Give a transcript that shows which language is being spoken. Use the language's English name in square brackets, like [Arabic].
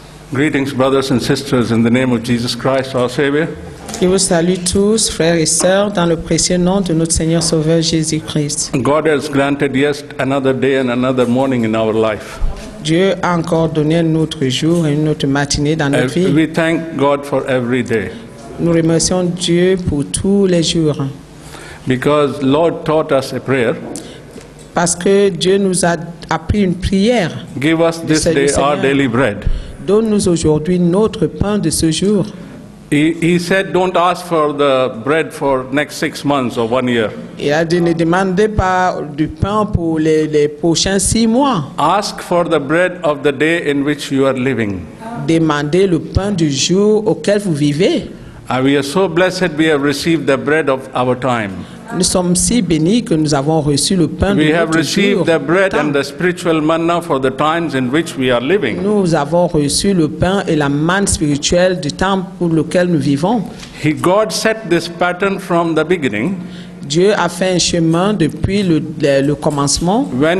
[English] Greetings, brothers and sisters, in the name of Jesus Christ, our Savior. [French] Je vous salue tous, frères et sœurs, dans le précieux nom de notre Seigneur Sauveur Jésus Christ. [English] God has granted yet another day and another morning in our life. [French] Dieu a encore donné un autre jour et une autre matinée dans notre vie. [English] We thank God for every day. [French] Nous remercions Dieu pour tous les jours. [English] Because Lord taught us a prayer. [French] Parce que Dieu nous a appris une prière. [English] Give us this day our daily bread. [French] Donne-nous aujourd'hui notre pain de ce jour. [English] He said, "Don't ask for the bread for next 6 months or 1 year." [French] Il a dit, ne demandez pas du pain pour les prochains 6 mois. [English] Ask for the bread of the day in which you are living. [French] Demandez le pain du jour auquel vous vivez. [English] And we are so blessed; we have received the bread of our time. [French] Nous sommes si bénis que nous avons reçu le pain de notre jour. [English] The bread and the spiritual manna for the times in which we are living. [French] Nous avons reçu le pain et la manne spirituelle du temps pour lequel nous vivons. [English] God set this pattern from the beginning. [French] Dieu a fait un chemin depuis le commencement.